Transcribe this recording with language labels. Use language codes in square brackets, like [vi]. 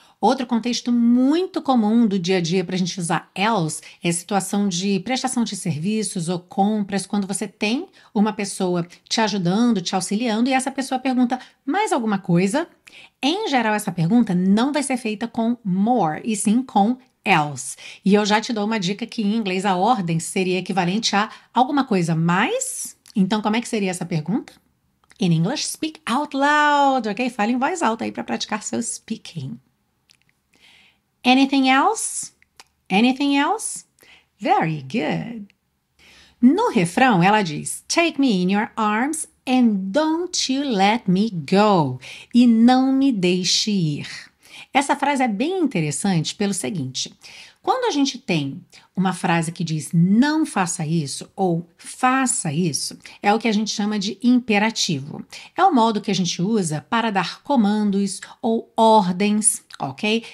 [pt] Outro contexto muito comum do dia a dia para a gente usar else é a situação de prestação de serviços ou compras, quando você tem uma pessoa te ajudando, te auxiliando, e essa pessoa pergunta mais alguma coisa. Em geral, essa pergunta não vai ser feita com more, e sim com else. E eu já te dou uma dica que em inglês a ordem seria equivalente a alguma coisa mais. Então, como é que seria essa pergunta? [en] In English, speak out loud, ok? [pt] Fale em voz alta aí para praticar seu speaking. [en] Anything else? Anything else? Very good. [pt] No refrão, ela diz, [en] take me in your arms and don't you let me go. [pt] E não me deixe ir. Essa frase é bem interessante pelo seguinte. Quando a gente tem uma frase que diz não faça isso ou faça isso, é o que a gente chama de imperativo. É o modo que a gente usa para dar comandos ou ordens, ok?